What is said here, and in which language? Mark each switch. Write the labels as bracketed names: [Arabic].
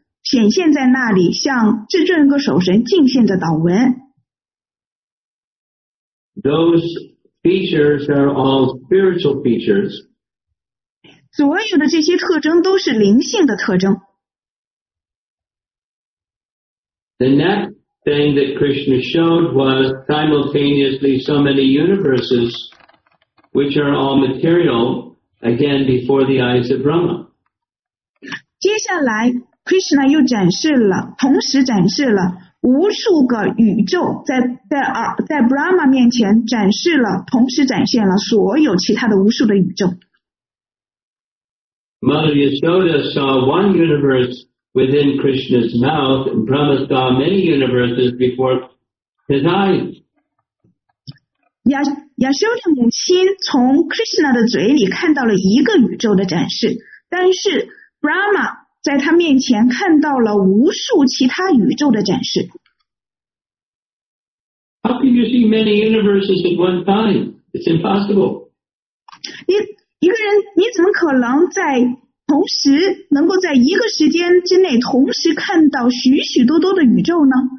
[Chinese] 显现在那里，向至尊和守神敬献的祷文。 [English] Those features are all spiritual features. [Chinese] 所有的这些特征都是灵性的特征。 [English] The next thing that Krishna showed was simultaneously so many universes, which are all material, again before the eyes of Brahma. [Chinese] 接下来Krishna 又展示了，同时展示了无数个宇宙，在 Brahma 面前展示了，同时展现了所有其他的无数的宇宙。 [English] Mother Yashoda saw one universe within Krishna's mouth, and Brahma saw many universes before his eyes. [Chinese] Yashoda 母亲从 Krishna 的嘴里看到了一个宇宙的展示，但是 Brahma在他面前看到了无数其他宇宙的展示。 [English] How can you see many universes at one time? It's impossible. [Chinese] 一个人，你怎么可能在同时能够在一个时间之内同时看到许许多多的宇宙呢？